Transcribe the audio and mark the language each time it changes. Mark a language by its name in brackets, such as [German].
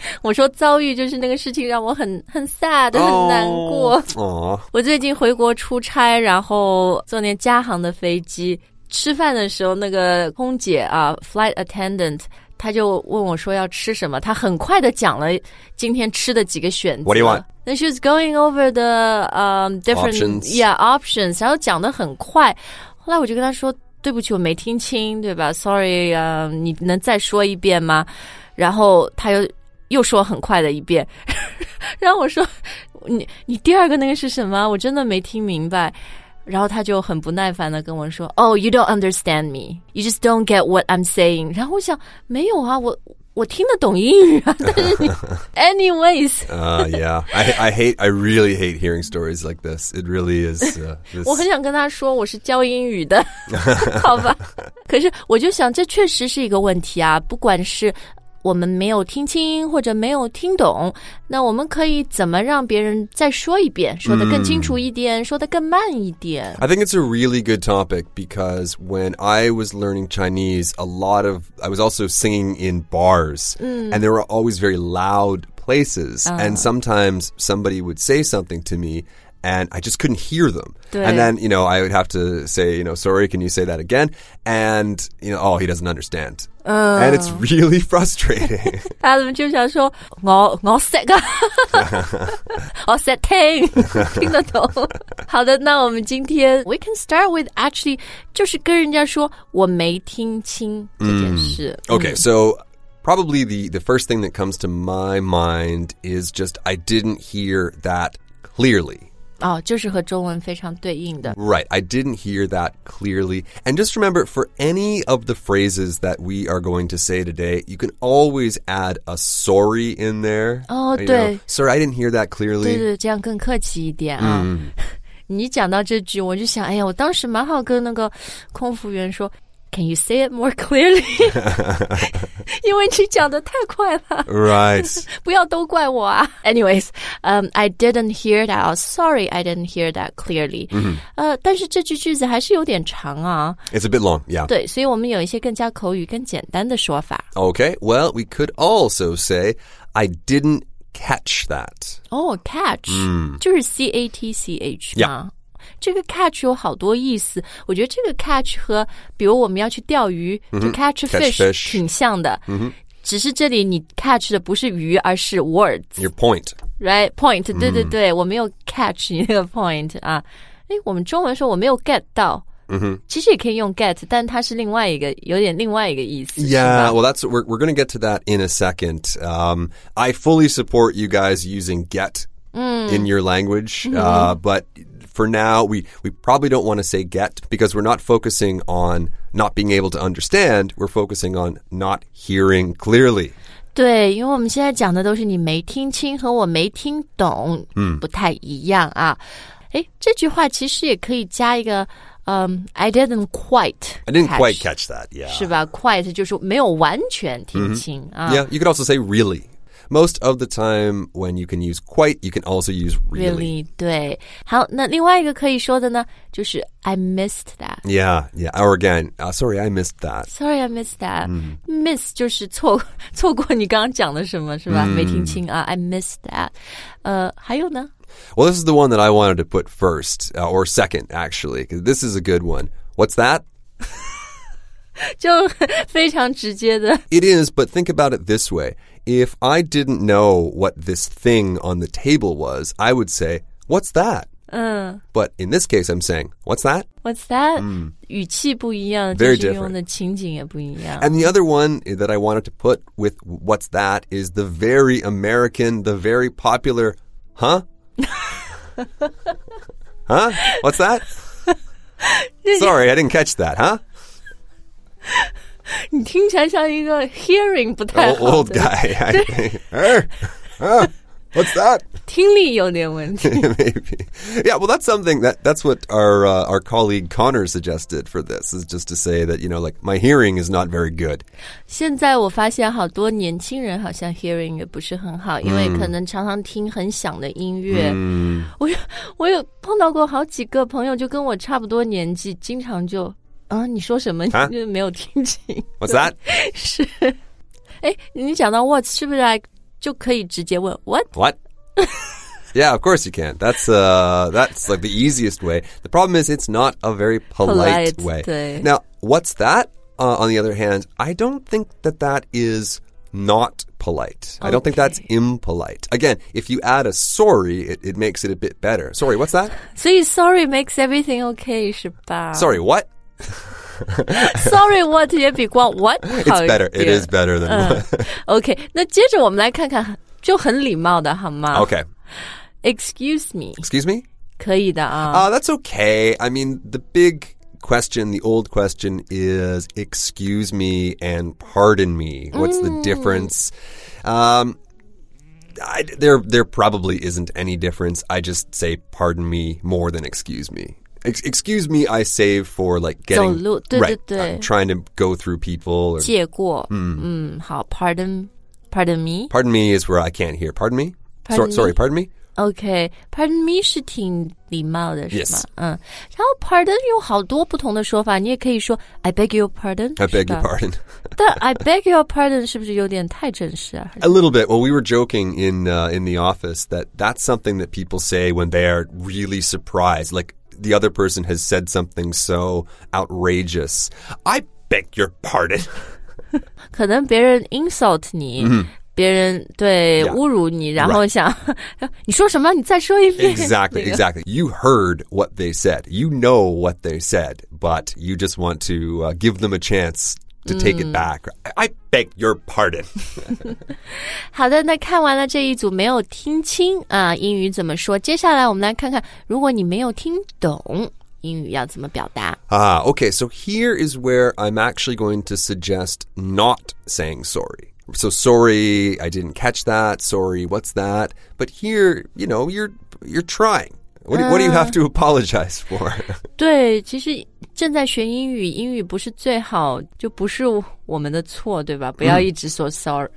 [Chinese] 我说遭遇就是那个事情让我很 sad、oh. 很难过。哦，我最近回国出差，然后坐那加航的飞机，吃饭的时候那个空姐啊 flight attendant 他就问我说要吃什么，他很快的讲了今天吃的几个选择。 [English] What do you want? Then she was going over the different options. [Chinese] Yeah, options, 然后讲的很快，后来我就跟他说对不起我没听清，对吧， sorry、你能再说一遍吗，然后他又说很快的一遍，然后我说你第二个那个是什么，我真的没听明白，然后他就很不耐烦的跟我说 [English] Oh, you don't understand me, you just don't get what I'm saying. [Chinese] 然后我想没有啊，我听得懂英语啊，但是你 anyways [English] yeah, I really hate hearing stories like this. It really is this... [Chinese] 我很想跟他说我是教英语的好吧，可是我就想这确实是一个问题啊，不管是我们没有听清或者没有听懂，那我们可以怎么让别人再说一遍，说得更清楚一点，说得更慢一点。 [English] I think it's a really good topic because when I was learning Chinese, I was also singing in bars, and there were always very loud places, and sometimes somebody would say something to me, and I just couldn't hear them. And then, you know, I would have to say, you know, sorry, can you say that again? And, you know, oh, he doesn't understand. And it's really frustrating. [Chinese] Adam 就想说我识啊，我识听，听得懂。好的，那我们今天 [English] we can start with actually [Chinese] 就是跟人家说我没听清这件事。 [English] Okay, so probably the first thing that comes to my mind is just I didn't hear that clearly. [Chinese] 哦，就是和中文非常对应的。 [English] Right, I didn't hear that clearly. And just remember, for any of the phrases that we are going to say today, you can always add a sorry in there. [Chinese] 哦，对。 [English] Sorry, I didn't hear that clearly. [Chinese] 对对，这样更客气一点啊。你讲到这句，我就想，哎呀，我当时蛮好跟那个空服员说 [English] Can you say it more clearly? [Chinese] 因为你讲得太快了。 [English] Right. [Chinese] 不要都怪我啊。 [English] Anyways, I didn't hear that. Sorry, I didn't hear that clearly. [Chinese] 但是这句句子还是有点长啊。 [English] It's a bit long, yeah. [Chinese] 对，所以我们有一些更加口语、更简单的说法。 [English] Okay, well, we could also say, I didn't catch that. Oh, catch. [Chinese] 就是 C-A-T-C-H 吗？ [English] Yeah. [Chinese] 这个 catch 有好多意思，我觉得这个 catch 和比如我们要去钓鱼、就 catch fish 挺像的、只是这里你 catch 的不是鱼而是 words [English] your point [Chinese] right point、对对对，我没有 catch 你那个 point 啊，诶，我们中文说我没有 get 到、其实也可以用 get， 但它是另外一个有点另外一个意思。 [English] Yeah, well, that's we're going to get to that in a second. I fully support you guys using get、in your language、butFor now, we probably don't want to say get because we're not focusing on not being able to understand. We're focusing on not hearing clearly. [Chinese] 对，因为我们现在讲的都是你没听清和我没听懂不太一样啊。这句话其实也可以加一个 [English] I didn't quite catch. I didn't quite catch that, yeah. [Chinese] 是吧 ,quite 就是没有完全听清、mm-hmm. 啊、 [English] Yeah, you could also say really. Most of the time, when you can use quite, you can also use really. [Chinese] Really, 对。好，那另外一个可以说的呢，就是 [English] I missed that. Yeah, yeah. Or again,、sorry, I missed that. Sorry, I missed that.、Mm. [Chinese] Miss 就是错过你刚刚讲的什么，是吧、mm. 没听清啊。 [English] I missed that. [Chinese] 还有呢？ [English] Well, this is the one that I wanted to put first,、or second, actually. Cause this is a good one. What's that? [Chinese] 就非常直接的。 [English] It is, but think about it this way. If I didn't know what this thing on the table was, I would say, what's that?、But in this case, I'm saying, what's that? What's that?、 [Chinese] Mm. 语气不一样 [English] Very different. [Chinese] 就是用的情景也不一样 [English] And the other one that I wanted to put with what's that is the very American, the very popular, huh? huh? What's that? Sorry, I didn't catch that, huh? [Chinese] 你听起来像一个 hearing 不太好的 [English] old guy. I think. What's that? [Chinese] 听力有点问题 [English] Maybe. Yeah, well, that's something that's what our colleague Connor suggested for this is just to say that, you know, like my hearing is not very good. [Chinese] 现在我发现好多年轻人好像 hearing 也不是很好，因为可能常常听很响的音乐。我有碰到过好几个朋友，就跟我差不多年纪，经常就。啊，你说什么？你就没有听清。 [English] What's that? [Chinese] 是，哎，你讲到 what 是不是就可以直接问 what? [English] What? Yeah, of course you can. That's like the easiest way. The problem is it's not a very polite way. [Chinese] 对。 [English] Now, what's that? On the other hand, I don't think that is not polite. Okay. I don't think that's impolite. Again, if you add a sorry, it makes it a bit better. Sorry, what's that? 所以 sorry makes everything okay, 是吧 Sorry, what? Sorry, what 也比光 what 好一点 It's better. It is better than what. [Chinese] Okay, 那接着我们来看看，就很礼貌的好吗 [English] ？Okay. Excuse me. Excuse me. [Chinese] 可以的啊。 [English] That's okay. I mean, the big question, the old question is, excuse me and pardon me. What's the difference? There probably isn't any difference. I just say pardon me more than excuse me. Excuse me, I save for like getting [Chinese] 走路对对对 [English] right, trying to go through people. Or, [Chinese] 借过、好 pardon me. [English] Pardon me is where I can't hear. Pardon me? Sorry, pardon me? Okay, pardon me [Chinese] 是挺礼貌的 [English] yes. [Chinese] 是吗、然后 pardon 有好多不同的说法你也可以说 [English] I beg your pardon. I beg your pardon. [Chinese] 但 [English] I beg your pardon [Chinese] 是不是有点太正式啊 [English] A little bit. Well, we were joking in the office that's something that people say when they are really surprised. Like,The other person has said something so outrageous. I beg your pardon. [Chinese] 可能别人 insult 你、别人对、侮辱你然后想、 [English] right. [Chinese] 你说什么你再说一遍 [English] Exactly, exactly. You heard what they said. You know what they said, but you just want to、give them a chance to take it back. I beg your pardon. [Chinese] 好的那看完了这一组没有听清、英语怎么说接下来我们来看看如果你没有听懂英语要怎么表达。 [English] Okay, so here is where I'm actually going to suggest not saying sorry. So sorry, I didn't catch that. Sorry, what's that? But here, you know, you're trying. What do you have to apologize for? [Chinese] 对其实正在学英语英语不是最好就不是我们的错对吧不要一直说 sorry.